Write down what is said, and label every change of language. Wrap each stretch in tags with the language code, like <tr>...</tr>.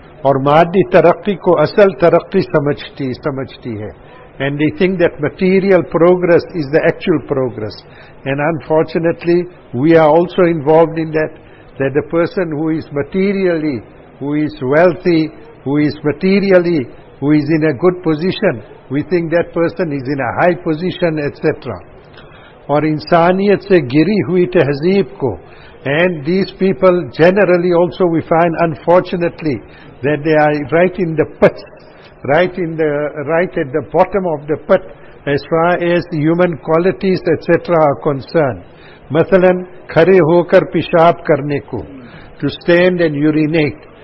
<ur>اور مادی ترقی کو اصل ترقی سمجھتی ہے.</ur> <en>And they think that material progress is the actual progress. And unfortunately, we are also involved in that. That the person who is materially, who is wealthy, who is materially, who is in a good position, we think that person is in a high position, etc.</en> <ur>اور انسانیت سے گری ہوئی تہذیب کو.</ur> <en>And these people generally also we find, unfortunately, that they are right in the pit. Right at the bottom of the pit as far as the human qualities etc. are concerned.</en> <ur>Mathalan, khare hokar pishab karne ko,</ur> <en>to stand and urinate.</en>